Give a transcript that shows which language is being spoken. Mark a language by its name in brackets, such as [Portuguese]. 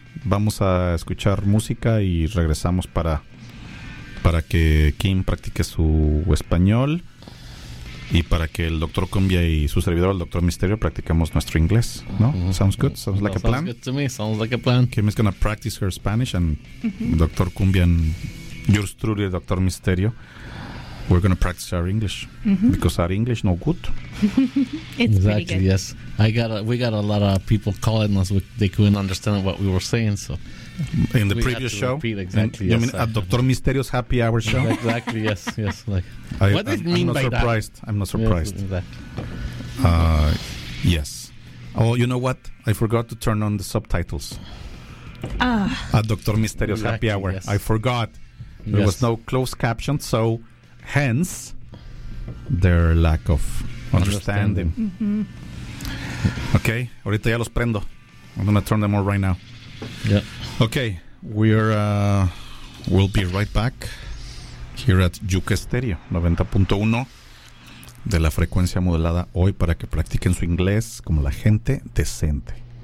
[Spanish] Vamos a escuchar música y regresamos para que Kim practique su español y para que el doctor Cumbia y su servidor, el doctor Misterio, practiquemos nuestro inglés, ¿no? [English] Mm-hmm. Sounds good. Sounds like a plan. Sounds good to me. Sounds like a plan. Kim is going to practice her Spanish and doctor Cumbia and yours truly, el doctor Misterio, we're going to practice our English because our English no good. It's exactly, pretty good. Yes. We got a lot of people calling us. They couldn't understand what we were saying. So, in the previous show? Repeat, exactly. You mean at Dr. Misterio's happy hour show? Exactly, yes. Yes. Like, I'm not surprised. Yes, exactly. Yes. Oh, you know what? I forgot to turn on the subtitles. At Dr. Misterio's exactly, happy hour. Yes. I forgot. There was no closed caption, so hence their lack of understanding. Okay, [Spanish] ahorita ya los prendo. [English] I'm gonna turn them on right now. Yeah. Okay, we'll be right back here at [Spanish] Yuke Stereo 90.1 de la frecuencia modulada hoy para que practiquen su inglés como la gente decente.